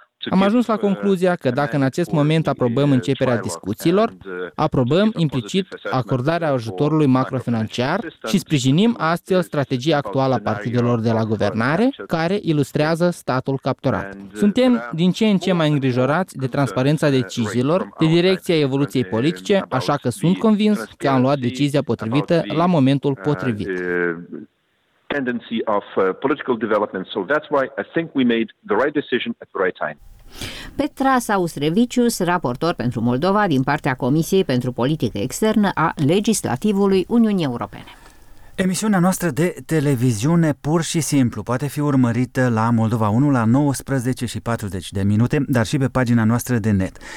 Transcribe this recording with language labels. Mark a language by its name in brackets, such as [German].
[Romanian] Am ajuns la concluzia că dacă în acest moment aprobăm începerea discuțiilor, aprobăm implicit acordarea ajutorului macrofinanciar și sprijinim astfel strategia actuală a partidelor de la guvernare, care ilustrează statul capturat. Suntem din ce în ce mai îngrijorați de transparența deciziilor, de direcția evoluției politice, așa că sunt convins că am luat decizia potrivită la momentul potrivit. [English] Tendency of political development, so that's why I think we made the right decision at the right time. [Romanian] Petra Saustrevicius, raportor pentru Moldova din partea Comisiei pentru Politică Externă a Legislativului Uniunii Europene. Emisiunea noastră de televiziune pur și simplu poate fi urmărită la Moldova 1 la 19:40 de minute, dar și pe pagina noastră de net.